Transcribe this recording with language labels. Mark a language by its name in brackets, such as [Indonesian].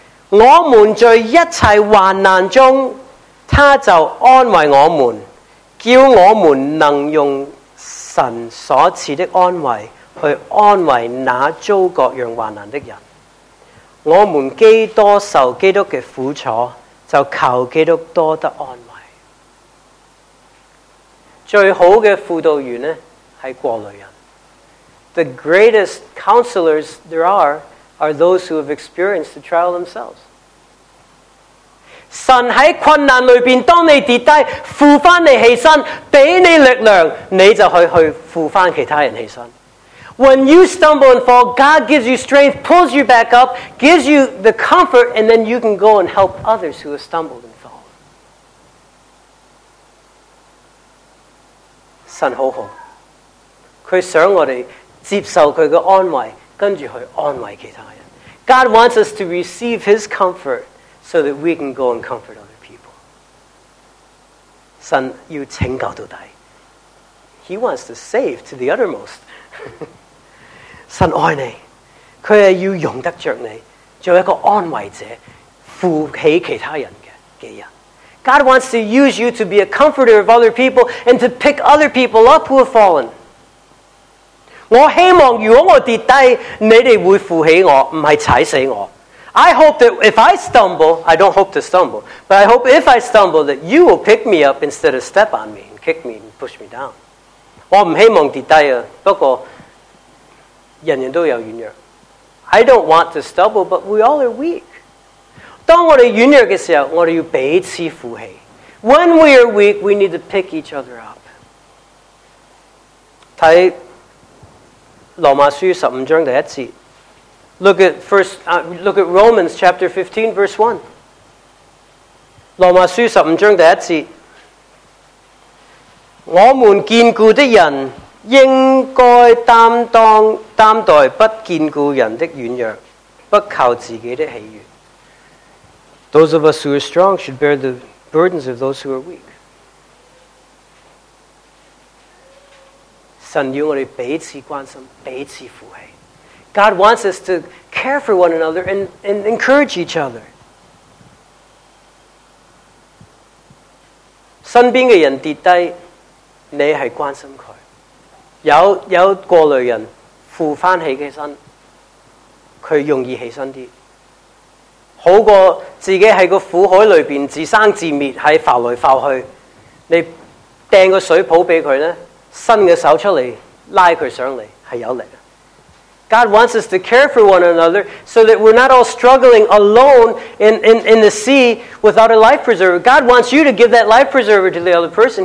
[Chinese] 我们在一切患难中，他就安慰我们，叫我们能用神所赐的安慰去安慰那遭各样患难的人。我们既多受基督的苦楚，就求基督多得安慰。最好的辅导员呢，是过来人。 [English] The greatest counselors there are those who have experienced the trial themselves. [Chinese] 神在困难里面，当你跌低，扶回你起身，给你力量，你就可以去扶回其他人起身。 [English] When you stumble and fall, God gives you strength, pulls you back up, gives you the comfort, and then you can go and help others who have stumbled and fallen. [Chinese] 神好好，祂想我们接受祂的安慰，跟着去安慰其他人。 [English] God wants us to receive His comfort so that we can go and comfort other people. [Chinese] 神要拯救到底。 [English] He wants to save to the uttermost. [Chinese] 神爱你，祂要用得着你，做一个安慰者，扶起其他人的人。 [English] God wants to use you to be a comforter of other people and to pick other people up who have fallen. [Chinese] 我希望如果我跌低，你们会扶起我，不是踩死我。 [English] I hope that if I stumble, I don't hope to stumble, but I hope if I stumble that you will pick me up instead of step on me and kick me and push me down. [Chinese] 我不希望跌低，不过人人都有软弱。 [English] I don't want to stumble, but we all are weak. [Chinese] 当我们软弱的时候，我们要彼此扶起。 [English] When we are weak, we need to pick each other up. [Chinese] 看罗马书十五章第一节。 [English] Look at Romans chapter 15, verse 1. [Chinese] 罗马书十五章第一节。我们坚固的人应该担待不坚固人的软弱，不靠自己的喜悦。 [English] Those of us who are strong should bear the burdens of those who are weak. [Chinese] 神要我们彼此关心，彼此扶起。 [English] God wants us to care for one another and encourage each other. [Chinese] 身边的人跌低，你是关心他。有过来人扶翻起起身，佢容易起身啲，好过自己喺个苦海里边自生自灭喺浮来浮去。你掟个水泡俾佢咧，伸个手出嚟拉佢上嚟系有力。 [English] God wants us to care for one another so that we're not all struggling alone in the sea without a life preserver. God wants you to give that life preserver to the other person.